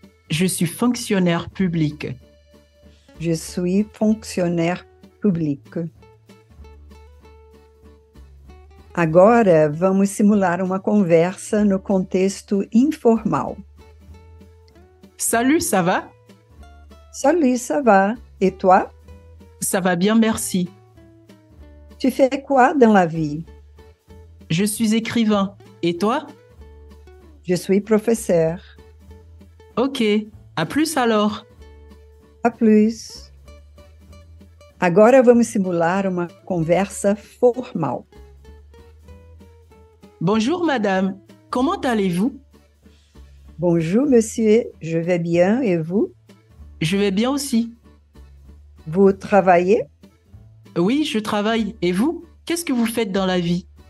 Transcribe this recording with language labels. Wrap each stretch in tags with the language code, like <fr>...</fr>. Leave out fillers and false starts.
<fr>Je suis fonctionnaire public. Je suis fonctionnaire public.</fr> <pt>Agora vamos simular uma conversa no contexto informal.</pt> <fr>Salut, ça va? Salut, ça va. Et toi? Ça va bien, merci. Tu fais quoi dans la vie? Je suis écrivain. Et toi? Je suis professeur. Ok. À plus alors. À plus.</fr> <pt>Agora vamos simular uma conversa formal.</pt> <fr>Bonjour madame, comment allez-vous? Bonjour monsieur, je vais bien et vous? Je vais bien aussi. Vous travaillez? Oui, je travaille. Et vous? Qu'est-ce que vous faites dans la vie?</fr>